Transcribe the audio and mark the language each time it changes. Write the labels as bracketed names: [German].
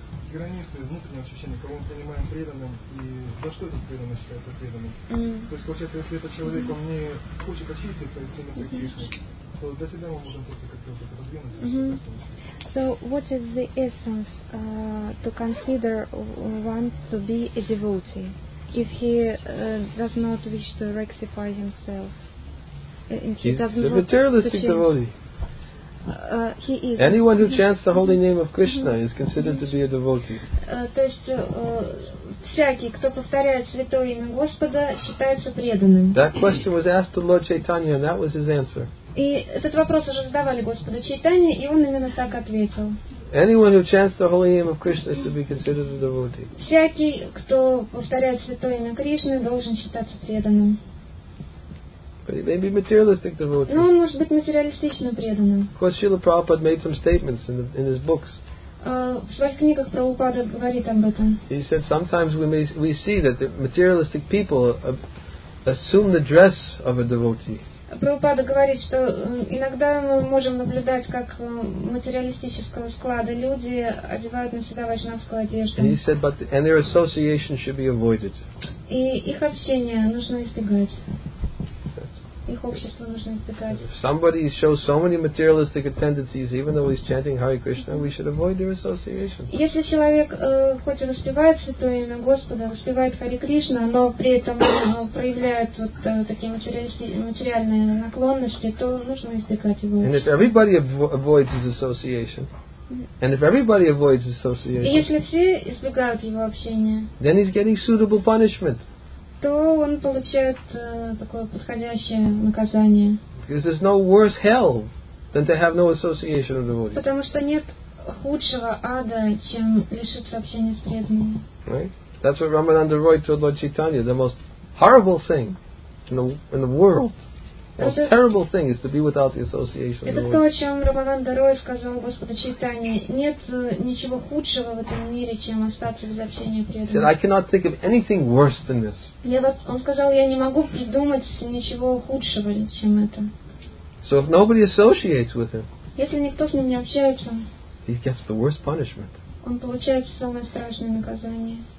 [Russian] Границы внутреннего ощущения, кого мы понимаем преданным, и за что этот преданный считается преданным. То есть получается, если этот человек он не хочет очиститься из тени Кришны, то для себя мы можем просто как-то вот это раздвинуть. [English] So what is the essence to consider one to be a devotee if he does not wish to rectify himself? He's a materialistic devotee. He is. Anyone who chants the holy name of Krishna is considered to be a devotee. [Russian] То есть всякий, кто повторяет святое имя Господа, считается преданным. [English] That question was asked to Lord Chaitanya, and that was his answer. [Russian] И этот вопрос уже задавали Господу Чайтанье, и он именно так ответил. [English] Anyone who chants the holy name of Krishna is to be considered a devotee. [Russian] Всякий, кто повторяет святое имя Кришны, должен считаться преданным. [English] But he may be materialistic devotee. [Russian] Но он может быть материалистично преданным. [English] Of course, Srila Prabhupada made some statements in his books. [Russian] В своих книгах Прабхупада говорит об этом. [English] He said sometimes we see that the materialistic people assume the dress of a devotee. [Russian] Прабхупада говорит, что иногда мы можем наблюдать, как материалистического склада люди одевают на себя вайшнавскую одежду. [English] And he said, but and their association should be avoided. [Russian] И их общение нужно избегать. [English] If somebody shows so many materialistic tendencies, even though he's chanting Hare Krishna, we should avoid their association. [Russian] Если человек хоть и воспевает святое имя Господа, воспевает Хари Кришна, но при этом проявляет вот такие материальные наклонности, то нужно избегать его. [English] And if everybody avoids his association. And if everybody avoids association, [Russian] если все избегают его общения, [English] then he's getting suitable punishment. [Russian] То он получает такое подходящее наказание. [English] Because there's no worse hell than to have no association with devotees. [Russian] Потому что нет худшего ада, чем лишиться общения с преданными. [English] Right? That's what Ramananda Roy told Lord Chaitanya, the most horrible thing in the world. The most terrible thing is to be without the association. [Russian] Это то, о чем Рамананда Рой сказал Господу Чайтанье. Нет ничего худшего в этом мире, чем остаться без общения преданных. [English] He said, I cannot think of anything worse than this. [Russian] Он сказал, я не могу придумать ничего худшего, чем это. [English] So if nobody associates with him, [Russian] если никто с ним не общается, [English] he gets the worst punishment. [Russian] Он получает самое страшное наказание.